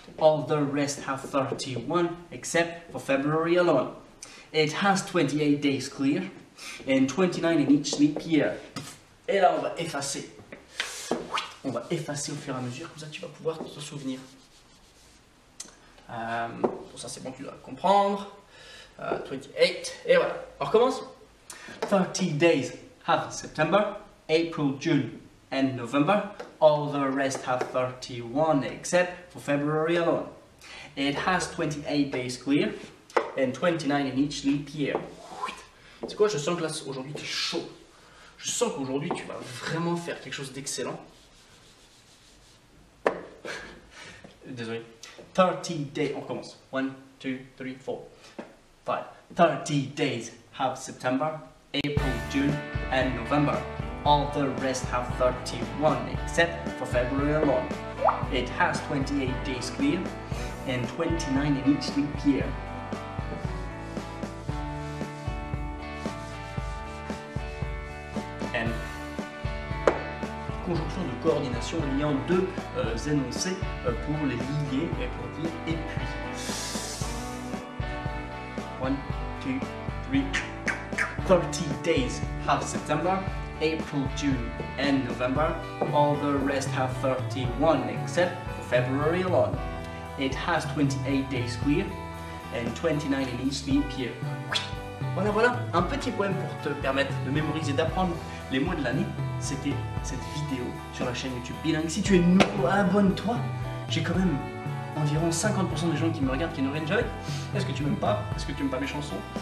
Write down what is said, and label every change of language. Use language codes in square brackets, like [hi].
[en] All the rest have 31 except for February alone. It has 28 days clear and 29 in each leap year. [fr] Et là, on va effacer. On va effacer au fur et à mesure, comme ça tu vas pouvoir te souvenir. Pour ça, c'est bon, tu dois comprendre. 28, et voilà. On recommence. [en] 30 days have September, April, June and November. All the rest have 31 except for February alone. It has 28 days clear and 29 in each leap year. [fr] C'est quoi? Je sens que là aujourd'hui tu es chaud. Je sens qu'aujourd'hui tu vas vraiment faire quelque chose d'excellent. Désolé. [en] 30 days. [fr] On commence. 1, 2, 3, 4, 5. [en] 30 days have September, April, June and November. All the rest have 31 except for February alone. It has 28 days clear and 29 in each leap year. And [fr] conjonction de coordination liant deux énoncés pour les lier et pour dire et puis. [en] One, two, three. 30 days have September, April, June and November. All the rest have 31 except for February alone. It has 28 days queer and 29 in each leap year. [fr] Voilà, voilà, un petit poème pour te permettre de mémoriser, d'apprendre les mois de l'année. C'était cette vidéo sur la chaîne YouTube Bilingue. Si tu es nouveau, abonne-toi. J'ai quand même environ 50% des gens qui me regardent qui ne viennent jamais. Est-ce que tu m'aimes pas? Est-ce que tu n'aimes pas mes chansons?